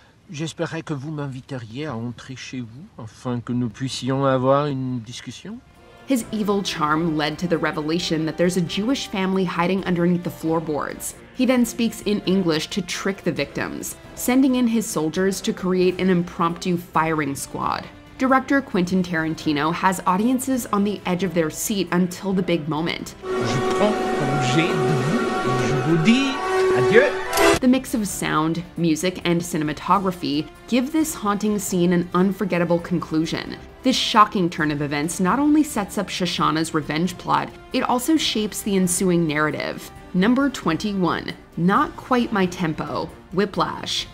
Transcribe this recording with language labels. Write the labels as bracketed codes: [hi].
[fr] J'espérais que vous m'inviteriez à entrer chez vous afin que nous puissions avoir une discussion. [en] His evil charm led to the revelation that there's a Jewish family hiding underneath the floorboards. He then speaks in English to trick the victims, sending in his soldiers to create an impromptu firing squad. Director Quentin Tarantino has audiences on the edge of their seat until the big moment. [fr] Je prends congé de vous et je vous dis adieu. [en] The mix of sound, music, and cinematography give this haunting scene an unforgettable conclusion. This shocking turn of events not only sets up Shoshana's revenge plot, it also shapes the ensuing narrative. Number 21, Not Quite My Tempo, Whiplash.